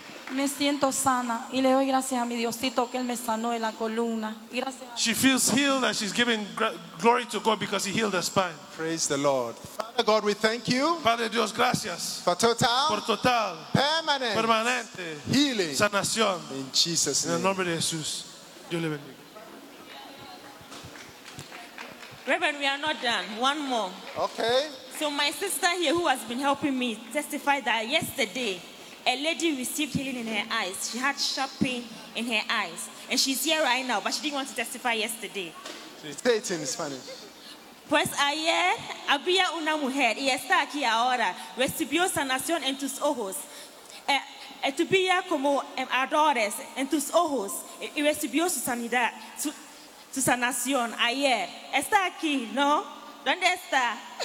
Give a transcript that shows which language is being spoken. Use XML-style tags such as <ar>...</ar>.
<es>Me siento sana y le doy gracias a mi Diosito que él me sanó de la columna. Gracias.</es> <en>She feels healed and she's giving glory to God because he healed her spine. Praise the Lord. Father God, we thank you.</en> <es>Padre Dios, gracias. Por total. Permanente.</es> <en>Healing.</en> <es>Sanación.</es> <en>In Jesus' name.</en> <es>En el nombre de Jesús. Dios le bendiga.</es> <en>Reverend, we are not done. One more. Okay. So my sister here who has been helping me testified that yesterday a lady received healing in her eyes. She had sharp pain in her eyes. And she's here right now, but she didn't want to testify yesterday. Say it in Spanish.</en> <es>Pues ayer había una mujer y está aquí ahora. Recibió sanación en tus ojos. tu vida como ardores en tus ojos y recibió su sanidad, su sanación ayer. Está aquí, ¿no? ¿Dónde está?</es>